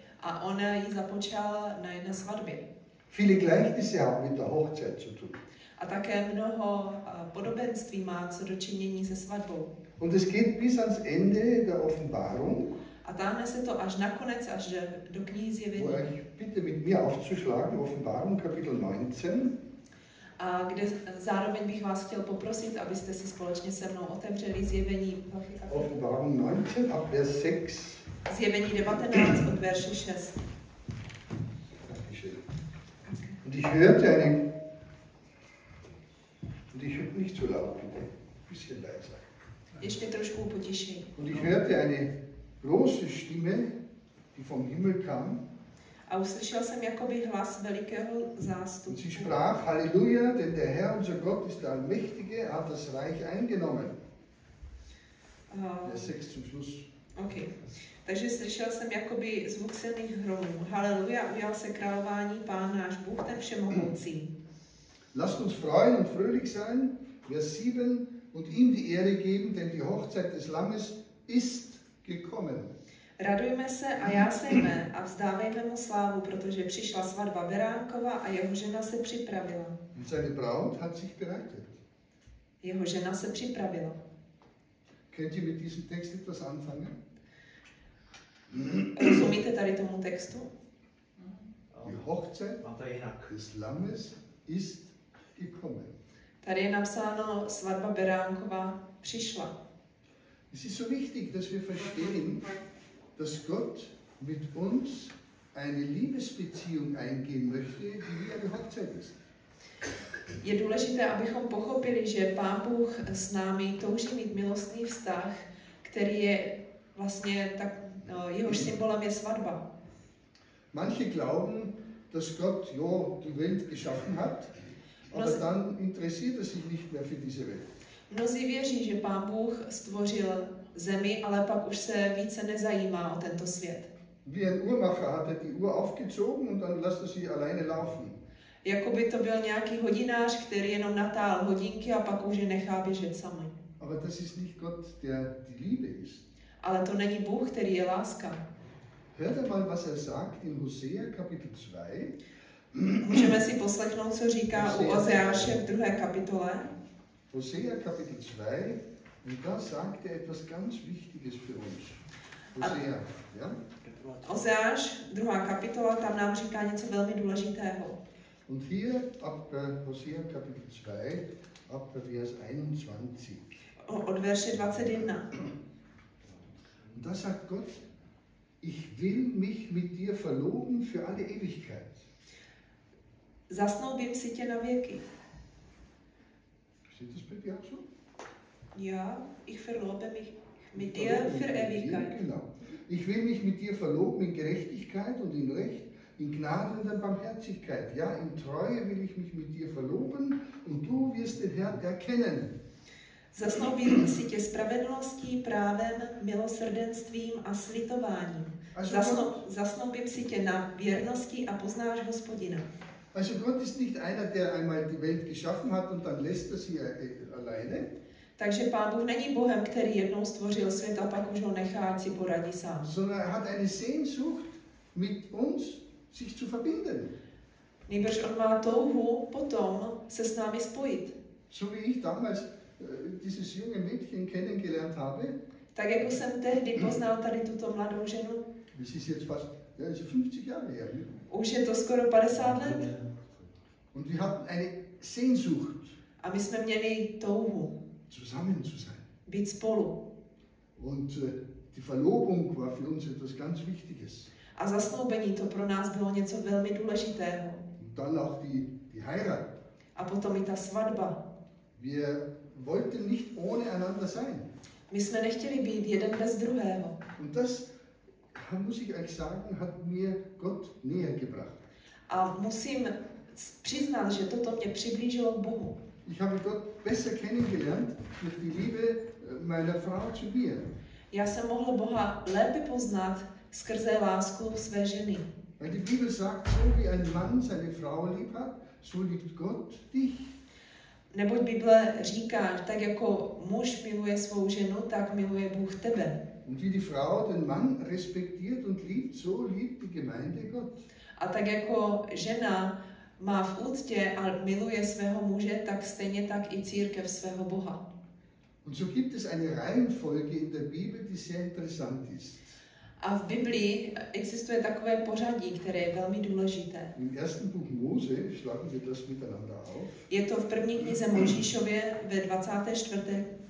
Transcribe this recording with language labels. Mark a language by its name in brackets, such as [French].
[Czech] A on ji započal na jedné svatbě. [German] Viele Gleichnisse haben mit der Hochzeit zu tun. [Czech] A také mnoho podobenství má co dočinění se svatbou. [German] Und es geht bis ans Ende der Offenbarung. [Czech] A táhne se to až nakonec, až do knihy Zjevení. [German] Wo ich bitte mit mir aufzuschlagen, Offenbarung, Kapitel 19. [Czech] A kde zároveň bych vás chtěl poprosit, abyste si společně se mnou otevřeli Zjevení. [German] Offenbarung 19, ab Vers 6. [Czech] Zjevení 19, od verše 6. [German] Und ich hörte eine... Und ich hörte nicht so laut, bitte. Bisschen leiser. [Czech] Ještě trošku potišej. [German] Und ich hörte eine große Stimme, die vom Himmel kam. [Czech] a uslyšel jsem jakoby hlas velikého zástupu. [German] Sie sprach, Halleluja, denn der Herr, unser Gott, ist der Allmächtige, hat das Reich eingenommen. Der Sex zum Schluss. Okay. [Czech] Takže slyšel jsem jakoby zvuk silných hromů. Halleluja, ujal se králování, Pán náš Bůh, ten všemohoucí. [German] Lasst uns freuen und fröhlich sein, Vers 7, und ihm die Ehre geben, denn die Hochzeit des Lammes ist gekommen. [Czech] Radujme se a jásejme a vzdávejme mu slávu, protože přišla svatba Beránkova a jeho žena se připravila. [German] Und seine Braut hat sich bereitet. [Czech] Jeho žena se připravila. [German] Könnt ihr mit diesem Text etwas anfangen? [Czech] Rozumíte tady tomu textu? [German] Die Hochzeit des Lammes ist gekommen. [Czech] Tady je napsáno, svatba Beránkova přišla. [German] Es ist so wichtig, dass wir verstehen, dass Gott mit uns eine Liebesbeziehung eingehen möchte, die wie eine Hochzeit ist. [Czech] Je důležité, abychom pochopili, že Pán Bůh s námi touží mít milostný vztah, který je vlastně tak, jehož symbolem je svatba. [German] Manche glauben, dass Gott ja die Welt geschaffen hat, aber dann interessiert er sich nicht mehr für diese Welt. [Czech] Mnozí věří, že Pán Bůh stvořil zemi, ale pak už se více nezajímá o tento svět. [German] Wie ein Uhrmacher hat er die Uhr aufgezogen und dann lässt er sie alleine laufen. [Czech] Jakoby to byl nějaký hodinář, který jenom natáhl hodinky a pak už je nechá běžet sami. [German] Aber das ist nicht Gott, der die Liebe ist. [Czech] Ale to není Bůh, který je láska. [German] Hört einmal, was er sagt in Hosea Kapitel 2. [Czech] Můžeme si poslechnout, co říká Hosea, u Ozeáše v 2. kapitole. [German] Hosea Kapitel 2. Und da sagt er etwas ganz Wichtiges für uns. Hosea, ja? [Czech] Ozeáš, 2. kapitola, tam nám říká něco velmi důležitého. [German] Und hier ab Hosea Kapitel 2, ab Vers 21. [Czech] Od verše 21. [German] Und da sagt Gott, ich will mich mit dir verloben für alle Ewigkeit. [Czech] Zasnoubím si tě na věky. [German] Steht das bei dir auch so? Ja, ich verlobe mich mit dir für Ewigkeit. Genau. Ich will mich mit dir verloben in Gerechtigkeit und in Recht, in Gnade und in Barmherzigkeit. Ja, in Treue will ich mich mit dir verloben und du wirst den Herrn erkennen. [Czech] Zasnoubím si tě spravedlností, právem, milosrdenstvím a slitováním. Zasnoubím si tě na věrnosti a poznáš Hospodina. [German] Also Gott ist nicht einer, der einmal die Welt geschaffen hat und dann lässt er sie alleine. [Czech] Takže Pán Bůh není Bohem, který jednou stvořil svět a pak už ho nechá, ať si poradí sám. [German] Sondern er hat eine Sehnsucht mit uns sich zu verbinden. [Czech] Nýbrž on má touhu potom se s námi spojit. [German] So wie ich damals dieses junge Mädchen kennengelernt habe. [Czech] Tak jako jsem tehdy poznal tady tuto mladou ženu. [German] Das ist jetzt fast, ja, ist 50 Jahre her. [Czech] Už je to skoro 50 let. [German] Und wir hatten eine Sehnsucht. [Czech] A my jsme měli touhu. [German] Zusammen zu sein. [Czech] Být spolu. [German] Und die Verlobung war für uns etwas ganz Wichtiges. [Czech] A zasnoubení, to pro nás bylo něco velmi důležitého. [German] Und dann auch die Heirat. [Czech] A potom i ta svatba. [German] Wir wollten nicht ohne einander sein. [Czech] My jsme nechtěli být jeden bez druhého. [German] Und das, muss ich euch sagen, hat mir Gott näher gebracht. [Czech] A musím přiznat, že toto mě přiblížilo k Bohu. [German] Ich habe Gott besser kennengelernt durch die Liebe meiner Frau zu mir. [Czech] Já jsem mohl Boha lépe poznat skrze lásku své ženy. [German] Weil die Bibel sagt, so wie ein Mann seine Frau lieb hat, so liebt Gott dich. [Czech] Neboť Bible říká, tak jako muž miluje svou ženu, tak miluje Bůh tebe. [German] Und wie die Frau den Mann respektiert und liebt, so liebt die Gemeinde Gott. [Czech] A tak jako žena má v úctě a miluje svého muže, tak stejně tak i církev svého Boha. [German] Und so gibt es eine Reihenfolge in der Bibel, die sehr interessant ist. [Czech] A v Biblii existuje takové pořadí, které je velmi důležité. [German] Im ersten Buch Mose, schlagen wir das miteinander auf. [Czech] Je to v první knize Mojžíšově ve 24.